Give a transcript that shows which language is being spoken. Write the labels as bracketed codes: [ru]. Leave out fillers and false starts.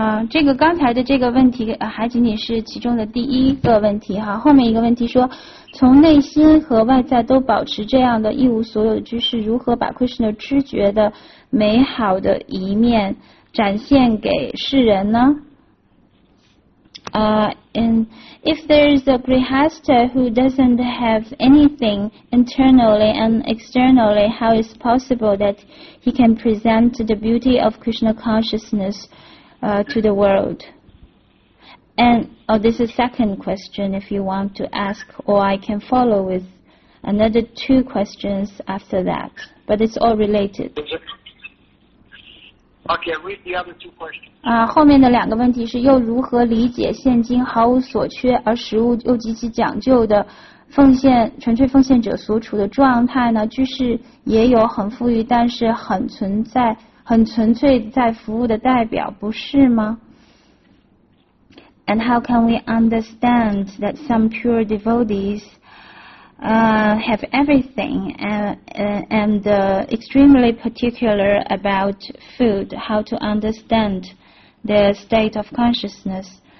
[zh] 这个刚才的这个问题还仅仅是其中的第一个问题哈。后面一个问题说，从内心和外在都保持这样的一无所有的知识，如何把 Krishna 知觉的美好的一面展现给世人呢？ [en] And if there is a grihastha who doesn't have anything internally and externally, how is it possible that he can present the beauty of Krishna consciousness to the world? And this is second question if you want to ask, or I can follow with another two questions after that. But it's all related. Okay, read the other two questions. [zh] 后面的两个问题是又如何理解现今毫无所缺而食物又极其讲究的纯粹奉献者所处的状态呢？居士也有很富裕，但是很纯粹在服务的代表，不是吗？ [en] And how can we understand that some pure devotees have everything and extremely particular about food, how to understand the state of consciousness?